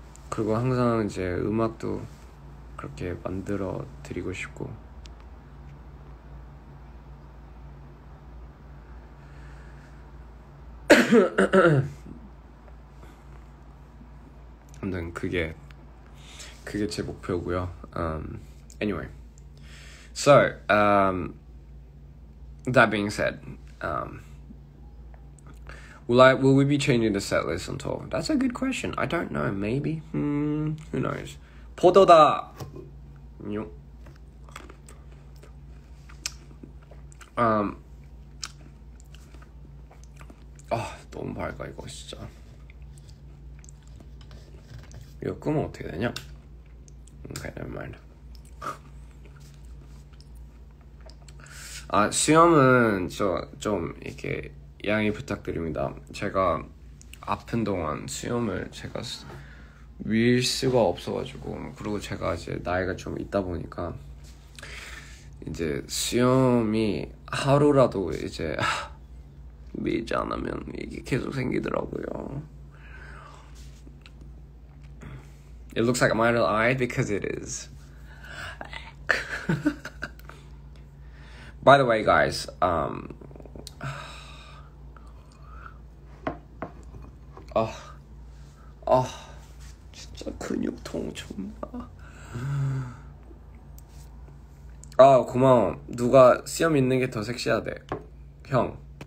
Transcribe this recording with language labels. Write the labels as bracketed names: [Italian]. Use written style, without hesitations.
[Korean] 그리고 항상 이제 음악도 그렇게 만들어 드리고 싶고 아무튼 그게 제 목표고요. [English] Anyway, so that being said, will we be changing the set list on tour? That's a good question. I don't know. Maybe. Who knows? [Korean] 포도다. 뇽. Oh, 너무 밝아 이거 진짜. 이거 끄면 어떻게 되냐? [English] Okay, never mind. [Korean] 아 수염은 좀 이렇게 양해 부탁드립니다. 제가 아픈 동안 수염을 제가 밀 수가 없어가지고 그리고 제가 이제 나이가 좀 있다 보니까 이제 수염이 하루라도 이제 밀지 않으면 이게 계속 생기더라고요. [English] It looks like my little eye because it is. By the way, guys, oh, oh, [Korean] 진짜 근육통 정말. Oh, 고마워. 누가 수염 있는 게 더 섹시하대, 형.